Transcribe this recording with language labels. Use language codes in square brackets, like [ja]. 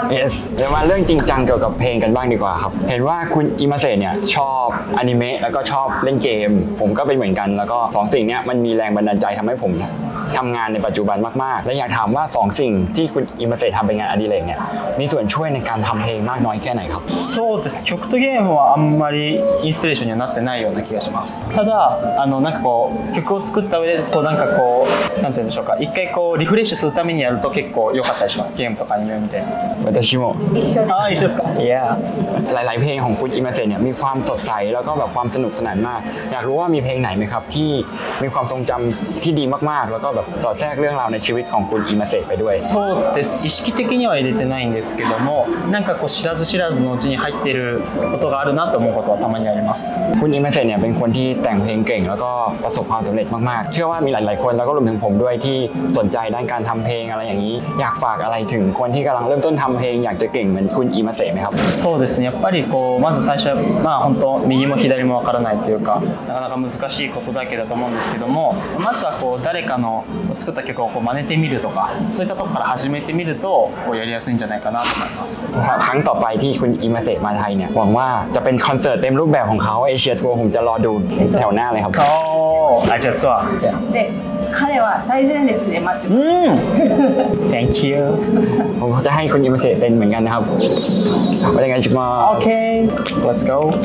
[th] yes เดี๋ยวมาเรื่องจริงจังเกี่ยวกับเพลงกันบ้างดีกว่าครับเห็นว่าคุณอิมาเซ่เนี่ยชอบอนิเมะแล้วก็ชอบเล่นเกมผมก็เป็นเหมือนกันแล้วก็สองสิ่งนี้มันมีแรงบันดาลใจทำให้ผมทำงานในปัจจุบันมากๆและอยากถามว่าสองสิ่งที่คุณอิมาเซ่ทำเป็นงานอดิเรกเนี่ยมีส่วนช่วยในการทำเพลงมากน้อยแค่ไหนครับ [ja] そうです曲とゲームはあんまりインスピレーションにはなってないような気がしますただなんかこう曲を作った上でこうなんかこうなんて言うんでしょうか一回こうリフレッシュするためにやると結構良かったりしますゲームとかアニメみたいな私も一緒ですあ一緒ですか [th] いやหลายๆเพลงของคุณอิมาเซ่เนี่ยมีความสดใสแล้วก็แบบความสนุกสนานมากอยากรู้ว่ามีเพลงไหนไหมครับที่มีความทรงจำที่ดีมากๆแล้วก็แบบสอดแทรกเรื่องราวในชีวิตของคุณอิมาเซ่ไปด้วย [ja] そうです意識的には入れてないんですけどもなんかこう知らず知らずのうちに入ってることがあるなと思うことはたまにあります [th] คุณอิมาเซ่เนี่ยเป็นคนที่แต่งเพลงเก่งแล้วก็ประสบความสำเร็จมากๆเชื่อว่ามีหลายๆคนแล้วก็รวมถึงผมด้วยที่สนใจด้านการทำเพลงอะไรอย่างนี้อยากฝากอะไรถึงคนที่กำลังเริ่มต้นทำเพลงอยากจะเก่งเหมือนคุณอิมาเซ่ไหมครั [ja] บそうですねやっぱりこうまず最初はまあ本当右も左もわからないというかなかなか難しいことだけだと思うんですけどもまずはこう誰かの作った曲をこう真似てみるとかそういったとこから始めてみるとこうやりやすいんじゃないかなと思います。 [th] ครั้งต่อไปที่คุณอิมาเซ่มาไทยเนี่ยหวังว่าจะเป็นคอนเสิร์ตเต็มรูปแบบของเขาเอเชียทัวร์ผมจะรอดูแถวหน้าเลยครับ โอ้ ไอเชียทัวร์ [ja] で彼は最前列で待ってます。 [en] Thank you [th] ผมจะให้คุณอิมาเซ่เต้นเหมือนกันนะครับไปได้ไงชิคมา โอเค [en] let's go